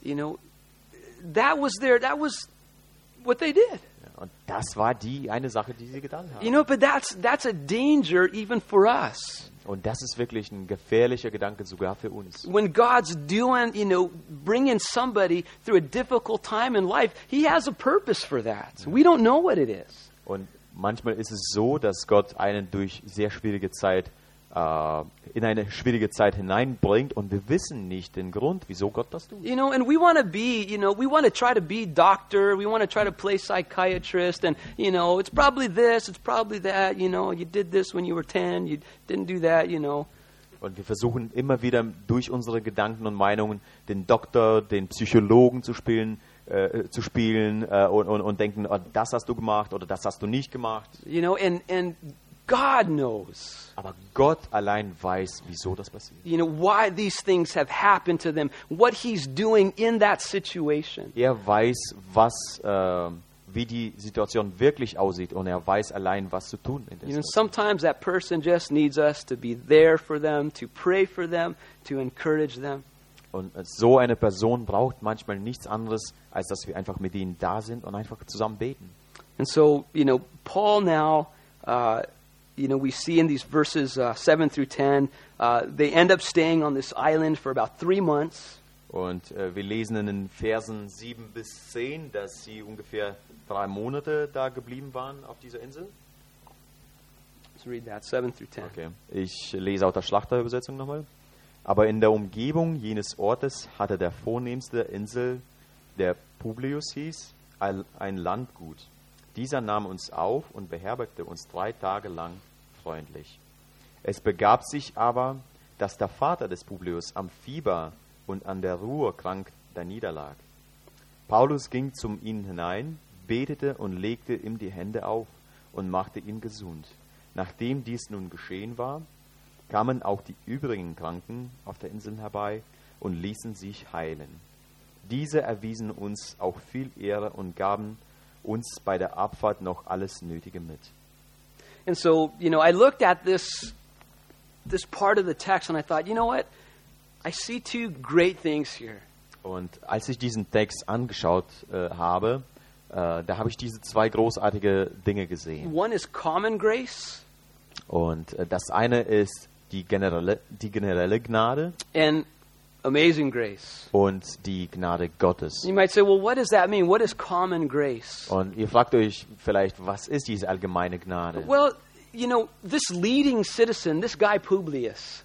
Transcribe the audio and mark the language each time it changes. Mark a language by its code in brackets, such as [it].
[en] You know, that was their, that was what they did. [de] Ja, und das war die eine Sache, die sie getan haben. [en] You know, but that's a danger even for us. [de] Und das ist wirklich ein gefährlicher Gedanke sogar für uns. [en] When God's doing, you know, bringing somebody through a difficult time in life, he has a purpose for that. Ja. We don't know what it is. [de] Und manchmal ist es so, dass Gott einen durch sehr schwierige Zeit in eine schwierige Zeit hineinbringt, und wir wissen nicht den Grund, wieso Gott das tut. [en] You know, and we want to be, you know, we want to try to be doctor, we want to try to play psychiatrist, and you know, it's probably this, it's probably that, you know, you did this when you were 10, you didn't do that, you know. [de] Und wir versuchen immer wieder durch unsere Gedanken und Meinungen den Doktor, den Psychologen zu spielen und denken, oh, das hast du gemacht oder das hast du nicht gemacht. [en] You know, and God knows. [de] Aber Gott allein weiß, wieso das passiert. [en] You know why these things have happened to them. What he's doing in that situation. [de] Er weiß, was wie die Situation wirklich aussieht, und er weiß allein, was zu tun in der [en] Situation. You know, sometimes that person just needs us to be there for them, to pray for them, to encourage them. [de] Und so eine Person braucht manchmal nichts anderes, als dass wir einfach mit ihnen da sind und einfach zusammen beten. [en] And so, you know, Paul now you know, we see in these verses 7-10, they end up staying on this island for about 3 months. [de] Und wir lesen in den Versen 7-10, dass sie ungefähr 3 Monate da geblieben waren auf dieser Insel. [en] Let's read that, 7-10. [de] Okay, ich lese auch der Schlachterübersetzung nochmal. Aber in der Umgebung jenes Ortes hatte der vornehmste der Insel, der Publius hieß, ein Landgut. Dieser nahm uns auf und beherbergte uns 3 Tage lang freundlich. Es begab sich aber, dass der Vater des Publius am Fieber und an der Ruhe krank daniederlag. Paulus ging zu ihm hinein, betete und legte ihm die Hände auf und machte ihn gesund. Nachdem dies nun geschehen war, kamen auch die übrigen Kranken auf der Insel herbei und ließen sich heilen. Diese erwiesen uns auch viel Ehre und gaben uns bei der Abfahrt noch alles Nötige mit. [en] And so, you know, I looked at this part of the text and I thought, you know what? I see 2 great things here. [de] Und als ich diesen Text angeschaut habe, da habe ich diese 2 großartige Dinge gesehen. [en] One is common grace. [de] Und das eine ist die generelle Gnade. [en] And amazing grace. [de] Und die Gnade Gottes. [en] You might say, well, what does that mean? What is common grace? [de] Und ihr fragt euch vielleicht, was ist diese allgemeine Gnade? [en] Well, you know, this leading citizen, this guy Publius.